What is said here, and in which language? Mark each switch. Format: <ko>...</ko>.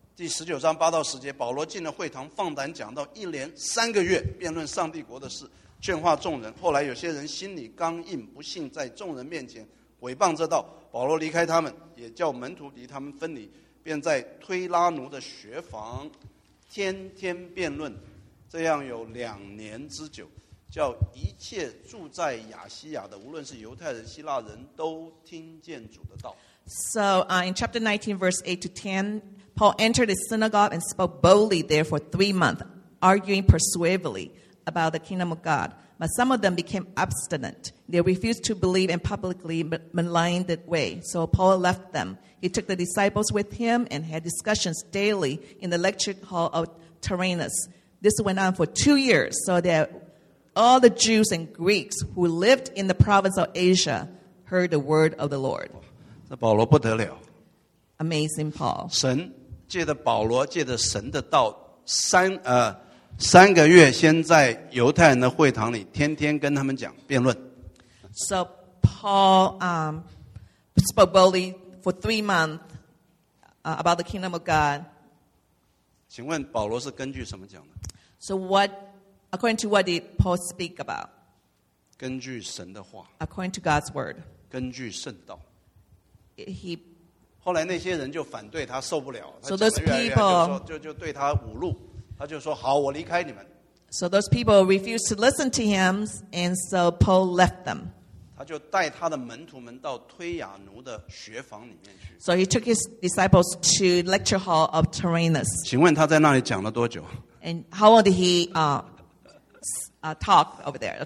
<zh>第19章8到10节, 保罗进了会堂, 放胆讲到一连3个月, 辩论上帝国的事, 劝化众人, 后来有些人心里刚硬, 不信在众人面前, 毁谤这道, 保罗离开他们, 也叫门徒离他们分离, 便在推拉奴的学房, 天天辩论, 这样有2年之久, 叫一切住在亚西亚的, 无论是犹太人, 希腊人, 都听见主的道。</zh> <en>So in chapter 19, verse 8 to 10, Paul entered the synagogue and spoke boldly there for 3 months, arguing persuasively about the kingdom of God. But some of them became obstinate. They refused to believe and publicly maligned the way. So Paul left them. He took the disciples with him and had discussions daily in the lecture hall of Tyrannus. This went on for 2 years, so that all the Jews and Greeks who lived in the province of Asia heard the word of the Lord.</en> <zh>这保罗不得了,</zh> <en>Amazing Paul.</en> <zh>神借着保罗, 借着神的道, 三个月先在犹太人的会堂里, 天天跟他们讲, 辩论。</zh> <en>So Paul spoke boldly for 3 months about the kingdom of God.</en> <zh>请问保罗是根据什么讲的?</zh> <en>So what, according to what did Paul speak about?</en> <zh>根据神的话,</zh> <en>according to God's word.</en> <zh>根据圣道。</zh> <en>He,</en> <zh>后来那些人就反对他, 受不了,</zh> <en>so those people</en> <zh>就对他侮辱, 他就说, 好,</zh> <en>so those people refused to listen to him, and so Paul left them.</en> <zh>他就带他的门徒们到推亚奴的学房里面去,</zh> <en>so he took his disciples to lecture hall of Tyrannus.</en> <zh>请问他在那里讲了多久?</zh> <en>And how long did he talk over there?</en>